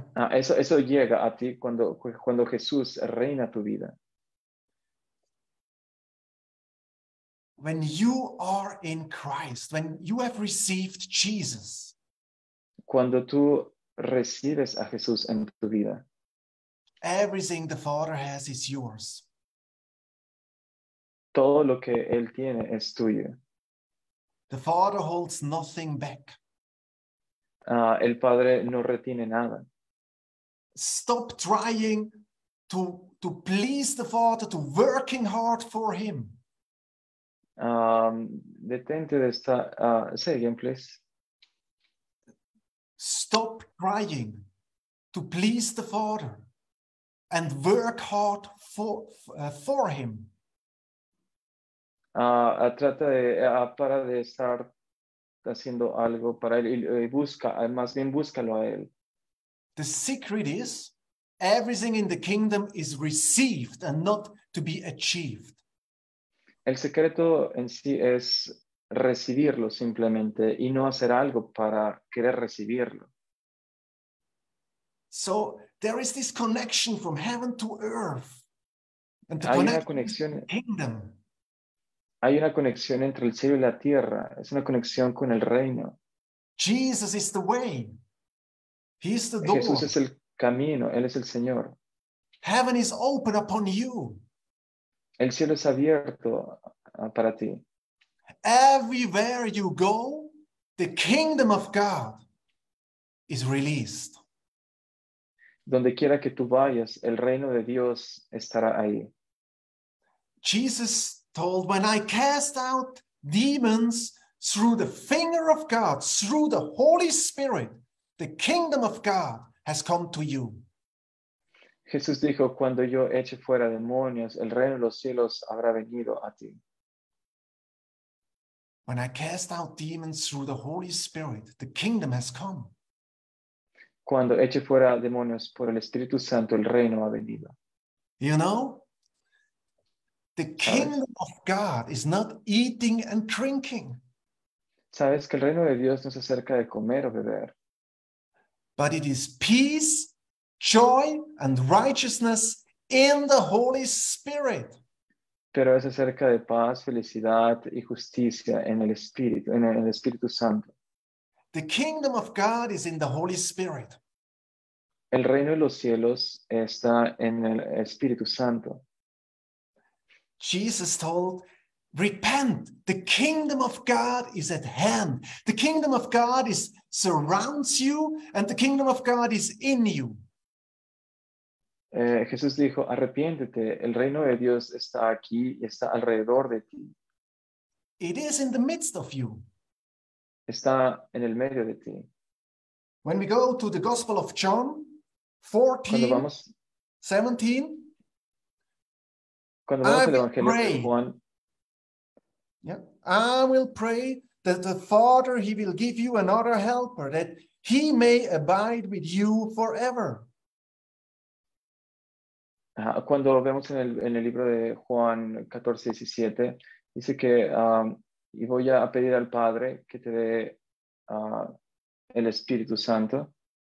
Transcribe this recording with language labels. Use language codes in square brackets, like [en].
[es] Eso llega a ti cuando Jesús reina tu vida. [en] When you are in Christ, when you have received Jesus. [es] Cuando tú recibes a Jesús en tu vida. [en] Everything the Father has is yours. [es] Todo lo que Él tiene es tuyo. [en] The Father holds nothing back. [es] El Padre no retiene nada. [en] Stop trying to please the Father, to working hard for Him. [es] Detente de estar... [en] say again, please. Stop trying to please the Father. And work hard for him. [es] Para de estar haciendo algo para él. Y busca, más bien búscalo a él. [en] The secret is, everything in the kingdom is received and not to be achieved. [es] El secreto en sí es recibirlo simplemente y no hacer algo para querer recibirlo. [en] So, there is this connection from heaven to earth. And the connection to the kingdom. [es] Hay una conexión entre el cielo y la tierra. Es una conexión con el reino. [en] Jesus is the way. He is the door. [es] Jesús es el camino. Él es el Señor. [en] Heaven is open upon you. [es] El cielo es abierto para ti. [en] Everywhere you go, the kingdom of God is released. [es] Donde quiera que tú vayas, el reino de Dios estará ahí. [en] Jesus told, when I cast out demons through the finger of God, through the Holy Spirit, the kingdom of God has come to you. [es] Jesús dijo, cuando yo eche fuera demonios, el reino de los cielos habrá venido a ti. [en] When I cast out demons through the Holy Spirit, the kingdom has come. [es] Cuando eche fuera demonios por el Espíritu Santo, el reino ha venido. [en] You know, the kingdom of God is not eating and drinking. [es] Sabes que el reino de Dios no se acerca de comer o beber. [en] But it is peace, joy, and righteousness in the Holy Spirit. [es] Pero es acerca de paz, felicidad y justicia en el Espíritu, en el Espíritu Santo. [en] The kingdom of God is in the Holy Spirit. [es] El reino de los cielos está en el Espíritu Santo. [en] Jesus told, repent, the kingdom of God is at hand. The kingdom of God surrounds you and the kingdom of God is in you. [es] Jesús dijo, arrepiéntete, el reino de Dios está aquí y está alrededor de ti. [en] It is in the midst of you. [es] Está en el medio de ti. [en] When we go to the Gospel of John 14:17. [es] Cuando vamos al Evangelio de Juan. [en] Yeah. I will pray that the Father, he will give you another helper, that he may abide with you forever. [es] Cuando vemos en el libro de Juan 14:17, dice que y voy a pedir al Padre que te dé el Espíritu Santo.